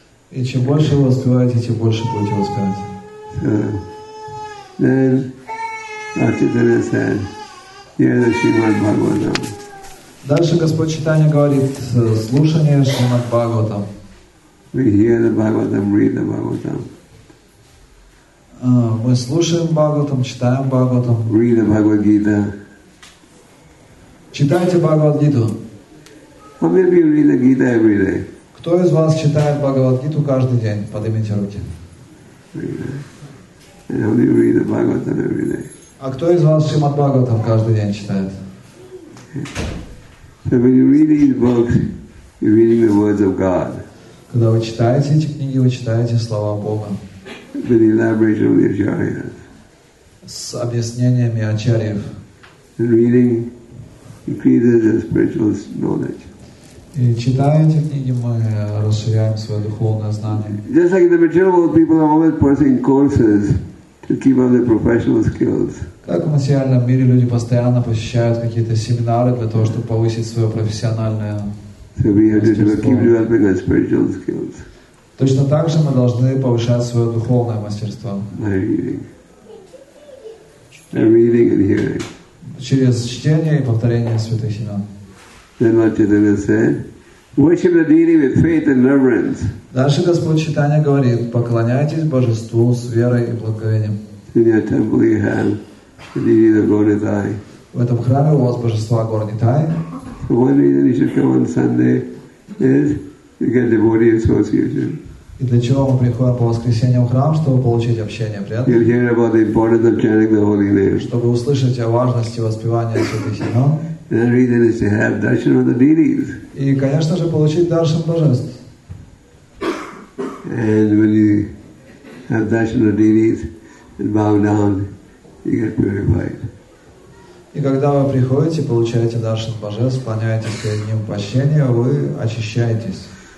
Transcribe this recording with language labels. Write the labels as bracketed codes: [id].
[ru] И чем больше вы воспеваете, тем больше будете воспевать. [en] Then Archidana said, "Hear the Srimad Bhagavatam." [ru] Дальше Господь Читания говорит, слушание Шримад Бхагаватам. [en] We hear the Bhagavatam, read the Bhagavatam. [ru] Мы слушаем Бхагаватам, читаем Бхагаватам. [en] Read the Bhagavad Gita. [ru] Читайте Бхагавад Гиту. [en] How many of you read the Gita every day? [ru] Кто из вас читает Бхагавад Гиту каждый день? Поднимите руки. [en] And how do you read the Bhagavatam every day? [ru] А кто из вас Шримад Бхагаватам каждый день читает? [en] So when you read these books, you're reading the words of God. [ru] Когда вы читаете эти книги, вы читаете слова Бога. [en] With elaboration of the Acharyas. [ru] С объяснениями Ачарьев. [en] Reading increases the spiritual knowledge. [ru] И читая эти книги, мы расширяем свое духовное знание. [en] Just like in the material world, people are always pursuing courses. To keep up their professional skills. [ru] Как в материальном мире люди постоянно посещают какие-то семинары для того, чтобы повысить свое профессиональное мастерство. Точно так же мы должны повышать свое духовное мастерство. [en] Reading and hearing. [ru] Через чтение и повторение святых имен. [en] Then what did they say? Worship the deity with faith and reverence. [ru] Дальше Господь Читания говорит, поклоняйтесь Божеству с верой и благоговением. [en] In your temple you have the deity of Gornitai. [ru] В этом храме у вас Божество Горнитай. [en] So one reason you should come on Sunday is to get devotee association. [ru] И для чего мы приходим по воскресеньям в храм, чтобы получить общение, приятно? [en] You'll hear about the importance of chanting the holy name. [ru] Чтобы услышать о важности воспевания святых имен. [en] And the reason is to have darshan of the deities. [ru] И, конечно же, получить даршан божеств. [en] And when you have darshan of deities and bow down, you get purified. [ru] И когда вы приходите, получаете даршан божеств, склоняетесь перед ним прощение, вы очищаетесь.